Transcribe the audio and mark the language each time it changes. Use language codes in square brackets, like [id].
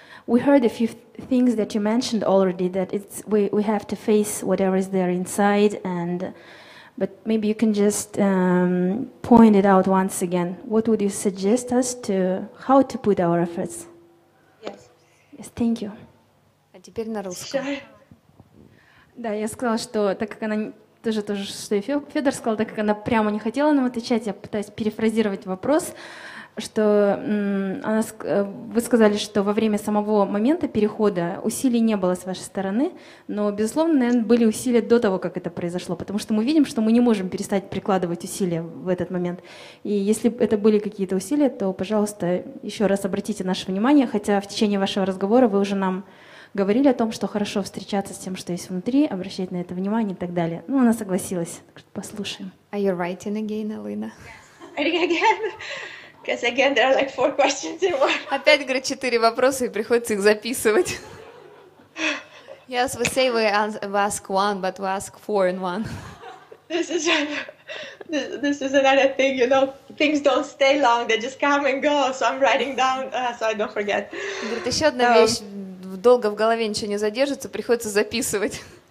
[en] We heard a few things that you mentioned already, that it's we have to face whatever is there inside, and but maybe you can just point it out once again. What would you suggest us to how to put our efforts? Yes, thank you. [ru] А теперь на русском. Да, я сказала, что так как она тоже, что и Федор сказал, так как она прямо не хотела нам отвечать, я пытаюсь перефразировать вопрос. Что вы сказали, что во время самого момента перехода усилий не было с вашей стороны, но, безусловно, наверное, были усилия до того, как это произошло, потому что мы видим, что мы не можем перестать прикладывать усилия в этот момент. И если это были какие-то усилия, то, пожалуйста, еще раз обратите наше внимание, хотя в течение вашего разговора вы уже нам говорили о том, что хорошо встречаться с тем, что есть внутри, обращать на это внимание и так далее. Ну, она согласилась, так что послушаем. [en] Are you writing again, Alina? Again? Because again, there are like four questions in one. [ru] Опять, говорит, четыре вопроса, и приходится их записывать. [en] Yes, we say we ask one, but we ask four in one. This is another thing, you know, things don't stay long, they just come and go, so I'm writing down, so I don't forget. [ru] Говорит, еще одна вещь, долго в голове ничего не задержится, приходится записывать.